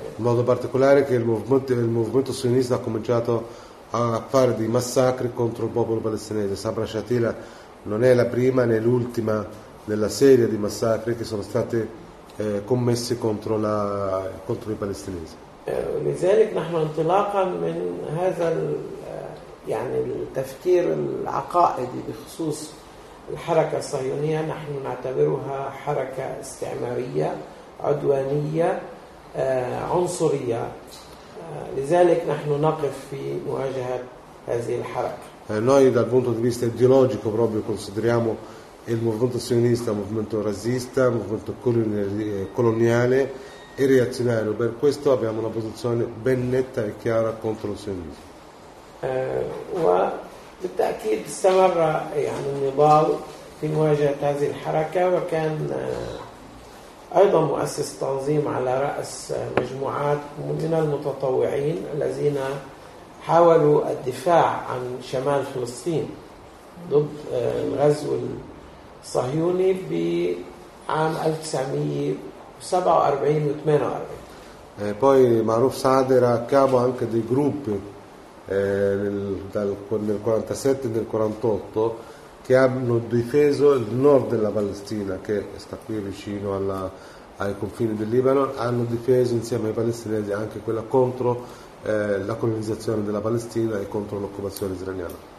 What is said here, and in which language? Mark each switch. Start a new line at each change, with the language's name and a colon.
Italian: modo particolare che il movimento sionista ha cominciato a fare dei massacri contro il popolo palestinese. Sabra Shatila non è la prima né l'ultima nella serie di massacri che sono stati commessi contro i palestinesi.
Arabic: لذلك نحن انطلاقا من هذا يعني التفكير العقائدي بخصوص الحركة الصهيونية نحن نعتبرها حركة استعمارية عدوانية عنصرية لذلك نحن نقف في مواجهة هذه الحركة.
Italian: Noi dal punto di vista ideologico proprio consideriamo il movimento sionista un movimento razzista, un movimento coloniale e reazionario, per questo abbiamo una posizione ben netta e chiara contro il sionismo.
Arabic: بالتأكيد استمر يعني النضال في مواجهة هذه الحركة وكان أيضا مؤسس تنظيم على رأس مجموعات من المتطوعين الذين حاولوا الدفاع عن شمال فلسطين ضد الغزو الصهيوني بعام 1947 و 1948.
Italian: Poi Maruf Saad era a capo anche dei gruppi nel 47 e nel 48 che hanno difeso il nord della Palestina, che sta qui vicino ai confini del Libano, hanno difeso insieme ai palestinesi anche quella contro la colonizzazione della Palestina e contro l'occupazione israeliana.